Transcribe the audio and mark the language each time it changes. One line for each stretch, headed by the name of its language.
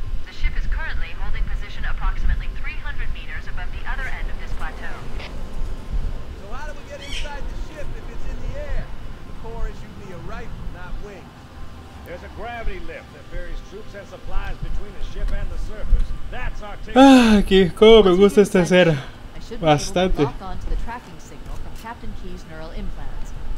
English: The ship is currently holding position approximately 300 meters above the other end of this plateau. So how do we get inside the ship if it's in the air? The core is usually a rifle, not wings. There's a gravity lift that ferries troops and supplies between the ship and the surface. That's our ticket.
Spanish: Ah, qué cómo me gusta esta escena. Bastante.
English: Lock onto the tracking signal from Captain Keys' neural implants.